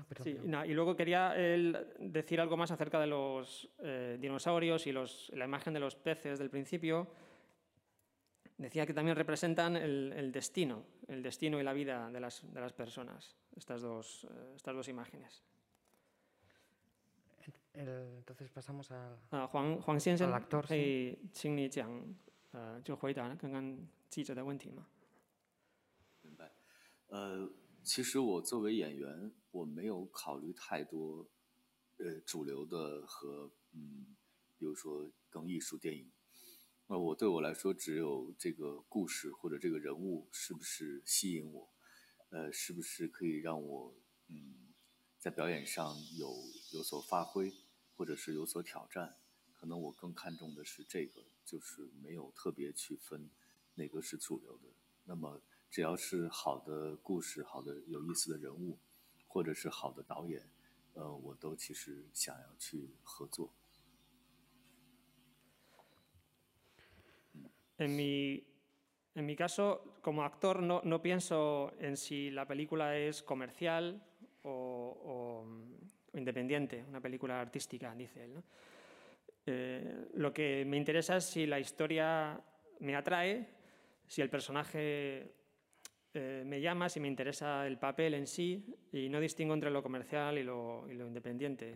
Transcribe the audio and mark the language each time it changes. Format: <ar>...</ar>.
<es>Y luego quería decir algo más acerca de los dinosaurios y la imagen de los peces del principio. Decía que también representan el destino y la vida de las personas, estas dos imágenes. Entonces pasamos al Juan Xianxian, al actor, sí.</es> <zh>可以请你讲，就回答刚刚记者的问题吗？明白。其实我作为演员，我没有考虑太多，主流的和比如说跟艺术电影。那我对我来说，只有这个故事或者这个人物是不是吸引我，是不是可以让我在表演上有所发挥，或者是有所挑战，可能我更看重的是这个，就是没有特别去分哪个是主流的。那么只要是好的故事、好的有意思的人物，或者是好的导演，我都其实想要去合作。</zh> <es>En mi caso, como actor, no pienso en si la película es comercial o independiente, una película artística, dice él, ¿no? Lo que me interesa es si la historia me atrae, si el personaje me llama, si me interesa el papel en sí, y no distingo entre lo comercial y lo independiente.</es>